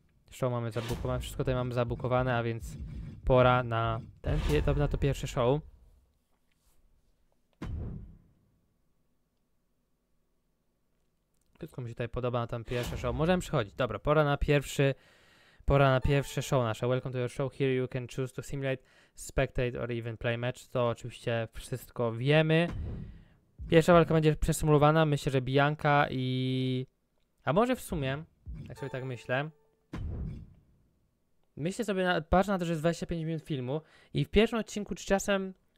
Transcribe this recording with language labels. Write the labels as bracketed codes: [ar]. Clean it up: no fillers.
[pl] show mamy zabukowane, wszystko tutaj mamy zabukowane, a więc pora na ten, na to pierwsze show. Wszystko mi się tutaj podoba na tam pierwsze show. Możemy przychodzić. Dobra, pora na pierwsze show nasze. [en] Welcome to your show. Here you can choose to simulate, spectate or even play match. [pl] To oczywiście wszystko wiemy. Pierwsza walka będzie przesymulowana. Myślę, że Bianca i... A może w sumie, jak sobie tak myślę. Myślę sobie, patrzę na to, że jest 25 minut filmu i w pierwszym odcinku czy czasem...